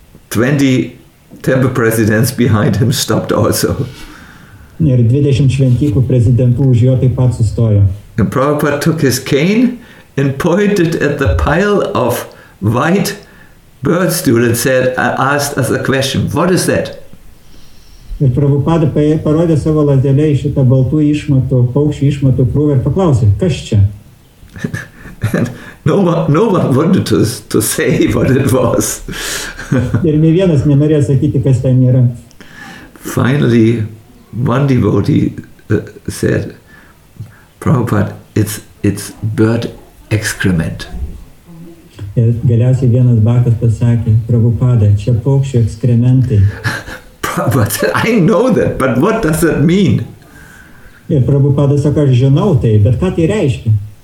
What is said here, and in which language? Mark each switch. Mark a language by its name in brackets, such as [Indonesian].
[English] 20 temple presidents behind him stopped also. [Lithuanian] Ir 20 šventikų prezidentų už jo taip pat sustojo. [English] And Prabhupada took his cane and pointed at the pile of white birdstool and said, asked us a question, what is that? [Lithuanian] Ir Prabhupada parodė savo lazdelę į šitą baltų išmatų, paukščių išmatų krūvę ir paklausė, kas čia? [English] And no one wanted to say what it was. [Lithuanian] Ir ne vienas nenorėjo sakyti, kas ten yra. [English] Finally, one devotee said, Prabhupada, it's bird excrement. [Lithuanian] Galiausiai vienas bakas pasakė, Prabhupada, čia paukščių ekskrementai. [English] Prabhupada, I know that, but what does that mean? [Lithuanian] Ir Prabhupada sako, aš žinau tai, bet ką tai reiškia?